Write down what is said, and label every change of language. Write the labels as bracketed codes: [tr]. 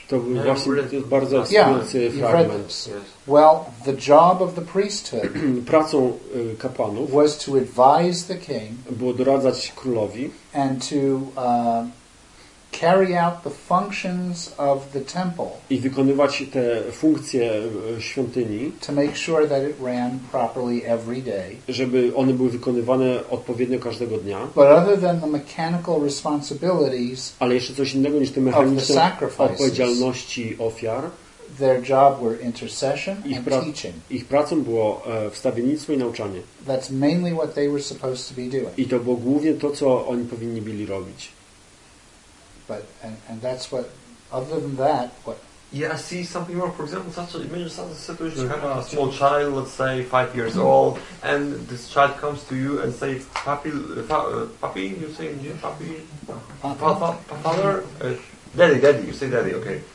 [pl] To był właśnie bardzo ekscytujący fragment. [en] Well, the job of the priesthood [pl] pracą kapłanów [en] was to advise the king, [pl] było doradzać królowi, [en] and to carry out the functions of the temple. [pl] I wykonywać te funkcje świątyni. [en] To make sure that it ran properly every day. [pl] Żeby one były wykonywane odpowiednio każdego dnia. [en] But other than the mechanical responsibilities. [pl] Ale jeszcze coś innego niż te mechaniczne odpowiedzialności ofiar. [en] Their job were intercession and teaching. [pl] Ich pracą było wstawiennictwo i nauczanie. [en] That's mainly what they were supposed to be doing. [pl] I to było głównie to, co oni powinni byli robić. [en] But and that's what. Other than that, what? Yeah, I see something wrong. For example, such a imagine such a situation. You have a small child, let's say 5 years old, and this child comes to you and says, "Papi, you say, yeah, papi, father, daddy, you say daddy, okay?